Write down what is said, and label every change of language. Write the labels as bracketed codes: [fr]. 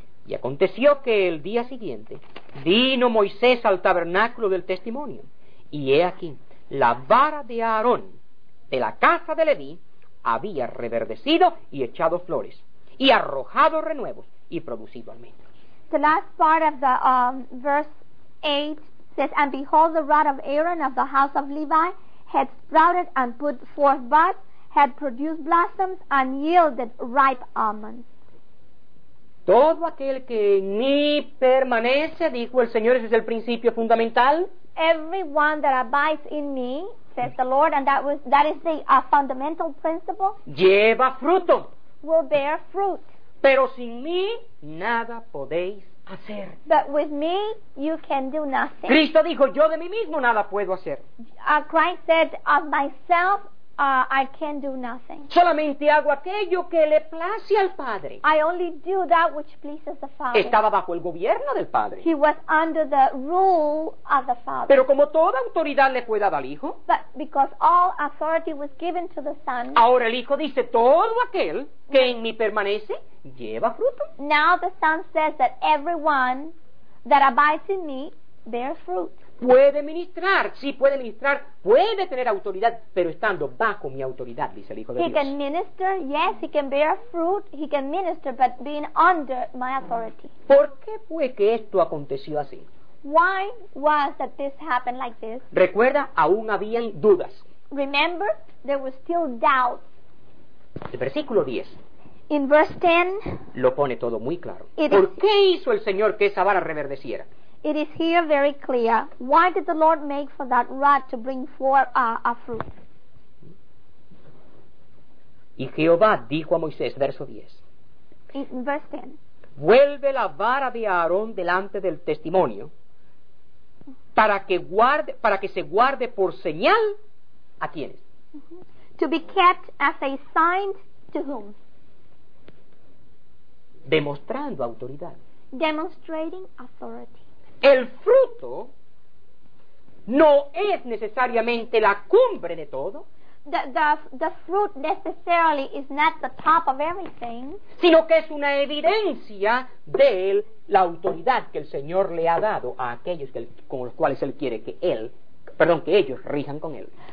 [es] Y aconteció que el día siguiente vino Moisés al tabernáculo del testimonio, y he aquí, la vara de Aarón de la casa de Leví había reverdecido y echado flores y arrojado renuevos y producido almendros. [en] the last part of the verse 8 says, "And behold, the rod of Aaron of the house of Levi had sprouted and put forth buds, had produced blossoms and yielded ripe almonds." [es] Todo aquel que en mí permanece, dijo el Señor, ese es el principio fundamental. [en] Everyone that abides in me, says the Lord, and that is the fundamental principle. [es] Lleva fruto. [en] Will bear fruit. [es] Pero sin mí nada podéis hacer. [en] But with me you can do nothing. [es] Cristo dijo, yo de mí mismo nada puedo hacer. [en] Christ said, of myself I can do nothing. [es] Solamente hago aquello que le place al Padre. [en] I only do that which pleases the Father. [es] Estaba bajo el gobierno del Padre. [en] He was under the rule of the Father. [es] Pero como toda autoridad le fue dada al Hijo. [en] But because all authority was given to the Son. [es] Ahora el Hijo dice, todo aquel que en mí permanece lleva fruto. [en] Now the Son says that everyone that abides in me bears fruit. [es] Puede ministrar, sí puede ministrar, puede tener autoridad, pero estando bajo mi autoridad, dice el Hijo de Dios. [en] He can minister, yes, he can bear fruit, he can minister, but being under my authority. [es] ¿Por qué fue que esto aconteció así? [en] Why was that this happened like this? [es] Recuerda, aún habían dudas. [en] Remember, there were still doubts. [es] El versículo 10. [en] In verse 10. [es] Lo pone todo muy claro. ¿Por qué hizo el Señor que esa vara reverdeciera? [en] It is here very clear. Why did the Lord make for that rod to bring forth a fruit? [es] Y Jehová dijo a Moisés, verso 10. [en] Verse 10. [es] Vuelve la vara de Aarón delante del testimonio para que se guarde por señal a quienes. Mm-hmm. [en] To be kept as a sign to whom? [es] Demostrando autoridad. [en] Demonstrating authority. [es] El fruto no es necesariamente la cumbre de todo. [en] The fruit necessarily is not the top of everything. [es] Sino que es una evidencia de él, la autoridad que el Señor le ha dado a aquellos con los cuales él quiere que ellos rijan con él.